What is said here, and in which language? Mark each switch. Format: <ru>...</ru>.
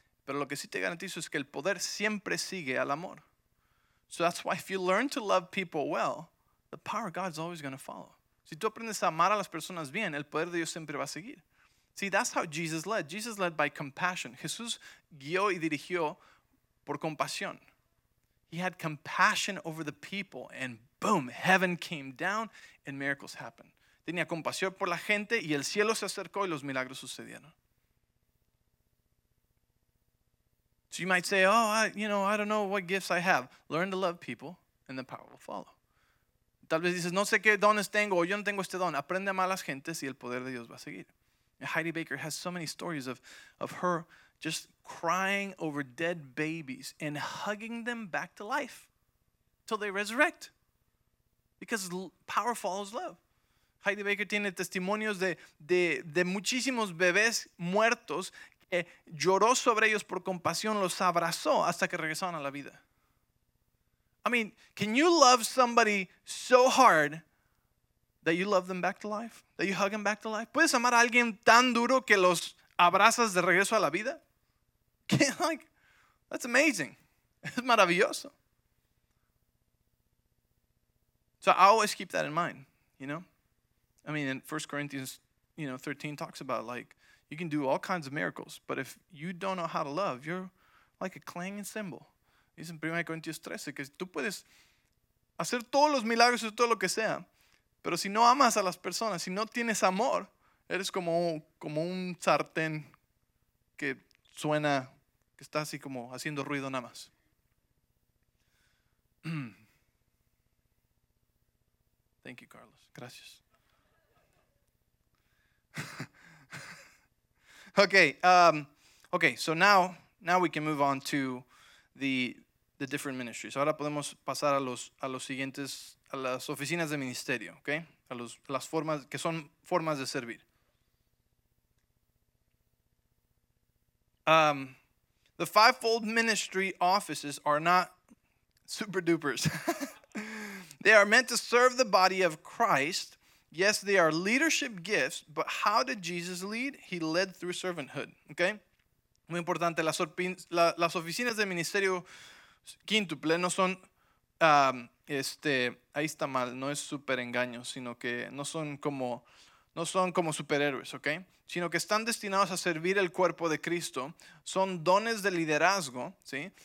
<es>Pero lo que sí te garantizo es que el poder siempre sigue al amor.</es> <en>So that's why if you learn to love people well, the power of God is always going to follow.</en> <es>Si tú aprendes a amar a las personas bien, el poder de Dios siempre va a seguir.</es> <en>See, that's how Jesus led. Jesus led by compassion.</en> <es>Jesús guió y dirigió por compasión.</es> <en>He had compassion over the people, and boom, heaven came down and miracles happened.</en> <es>Tenía compasión por la gente y el cielo se acercó y los milagros sucedieron.</es> <en>So you might say, I don't know what gifts I have. Learn to love people, and the power will follow.</en> <es>Tal vez dices, no sé qué dones tengo, o yo no tengo este don. Aprende a amar a las gentes y el poder de Dios va a seguir.</es> <en>And Heidi Baker has so many stories of her just crying over dead babies and hugging them back to life till they resurrect. Because power follows love.</en> <es>Heidi Baker tiene testimonios de muchísimos bebés muertos que lloró sobre ellos por compasión, los abrazó hasta que regresaron a la vida.</es> <en>I mean, can you love somebody so hard that you love them back to life? That you hug them back to life?</en> <es>¿Puedes amar a alguien tan duro que los abrazas de regreso a la vida?</es> <en>That's amazing.</en> <es>Es maravilloso.</es> <en>So I always keep that in mind, you know? I mean, in 1 Corinthians, 13 talks about, you can do all kinds of miracles, but if you don't know how to love, you're like a clanging cymbal.</en> <es>Dice en 1 Corinthians 13 que tú puedes hacer todos los milagros y todo lo que sea, pero si no amas a las personas, si no tienes amor, eres como un sartén que suena, que está así como haciendo ruido nada más.</es> <en>Thank you, Carlos. Gracias. Okay, so now we can move on to the different ministries.</en> <es>Ahora podemos pasar a los siguientes, a las oficinas de ministerio, okay? Las formas, que son formas de servir.</es> <en>The fivefold ministry offices are not super dupers. They are meant to serve the body of Christ. Yes, they are leadership gifts, but how did Jesus lead? He led through servanthood, okay?</en> <es>Muy importante, las oficinas del ministerio quíntuple no son, ahí está mal, no es super engaño, sino que no son como superhéroes, okay? Sino que están destinados a servir el cuerpo de Cristo, son dones de liderazgo, ¿sí?</es>